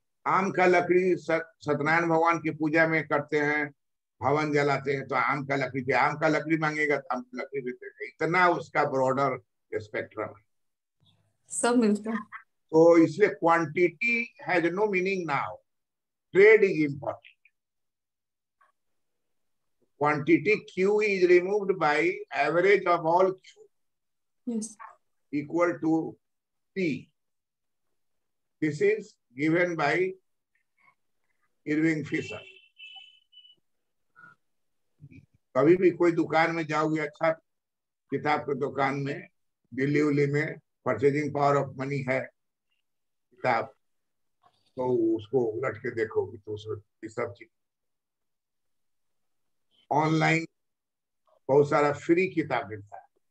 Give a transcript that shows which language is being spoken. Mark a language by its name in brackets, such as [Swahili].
[Hindi] आम का लकड़ी सत्यनारायण भगवान की पूजा में करते हैं, हवन जलाते हैं, तो आम का लकड़ी भी, आम का लकड़ी मांगेगा तो आम का लकड़ी भी देंगे। इतना उसका ब्रॉडर स्पेक्ट्रम है, सब मिलता है। तो इसलिए [English] Quantity has no meaning now, trade is important. Quantity Q is removed by average of all Q, yes, equal to T. This is given by Irving Fischer. [Hindi] कभी भी कोई दुकान में जाओगे, अच्छा किताब के दुकान में, दिल्ली उल्ली में [English] purchasing power of money [Hindi] है किताब, तो उसको उलट के देखोगे तो उसमें सब चीज, ऑनलाइन बहुत सारा फ्री किताब मिलता है।